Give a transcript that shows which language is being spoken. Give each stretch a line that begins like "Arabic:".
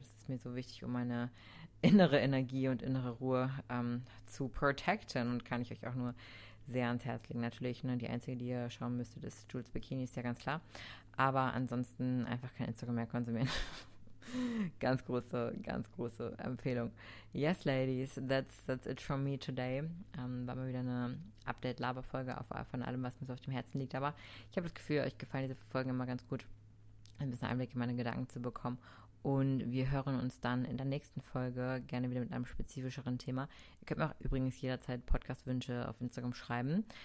German: Das ist mir so wichtig, um meine innere Energie und innere Ruhe zu protecten und kann ich euch auch nur sehr ans Herz legen. Natürlich, ne, die Einzige, die ihr schauen müsstet, ist Jules Bikini, ist ja ganz klar. Aber ansonsten einfach kein Instagram mehr konsumieren. ganz große Empfehlung.
English: Yes, Ladies, that's it from me today.
German: War mal wieder eine Update-Laber-Folge von allem, was mir so auf dem Herzen liegt. Aber ich habe das Gefühl, euch gefallen diese Folgen immer ganz gut, ein bisschen Einblick in meine Gedanken zu bekommen. Und wir hören uns dann in der nächsten Folge gerne wieder mit einem spezifischeren Thema. Ihr könnt mir auch übrigens jederzeit Podcast-Wünsche auf Instagram schreiben.